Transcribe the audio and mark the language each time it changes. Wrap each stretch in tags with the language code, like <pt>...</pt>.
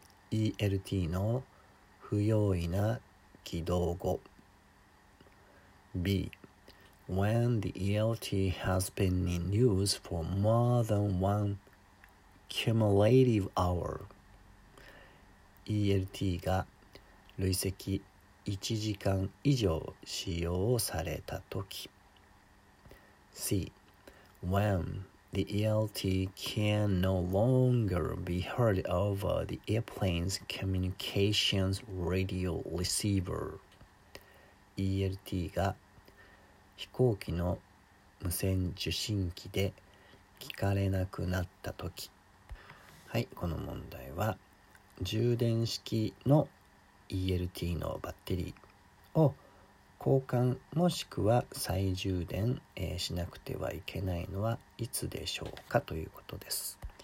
<ja>ELT の不用意な起動後。B.</ja> <en>When the ELT has been in use for more than one cumulative hour.</en> <ja>ELT が累積1時間以上使用されたとき。 C.</ja> <en>When the ELT can no longer be heard over the airplane's communications radio receiver.</en> <ja>ELT が飛行機の無線受信機で聞かれなくなったとき。はい、この問題は充電式の ELT のバッテリーを交換もしくは再充電しなくてはいけないのはいつでしょうかということです。</ja>